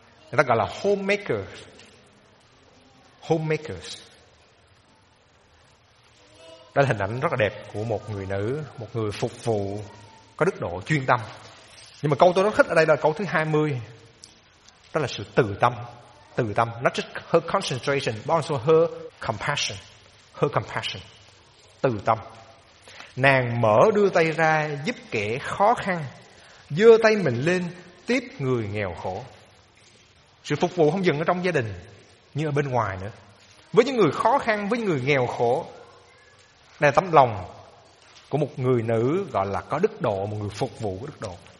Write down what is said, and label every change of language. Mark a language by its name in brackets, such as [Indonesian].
[Vietnamese] Người ta gọi là homemakers. Homemakers. Đó là hình ảnh rất là đẹp của một người nữ, một người phục vụ có đức độ, chuyên tâm. Nhưng mà câu tôi rất thích ở đây là câu thứ 20. Đó là sự từ tâm. Từ tâm, [English] not just her concentration, but also her compassion. Her compassion. [Vietnamese] Từ tâm. Nàng mở đưa tay ra giúp kẻ khó khăn, giơ tay mình lên tiếp người nghèo khổ. Sự phục vụ không dừng ở trong gia đình, như ở bên ngoài nữa. Với những người khó khăn, với những người nghèo khổ, đây là tấm lòng của một người nữ gọi là có đức độ, một người phục vụ có đức độ.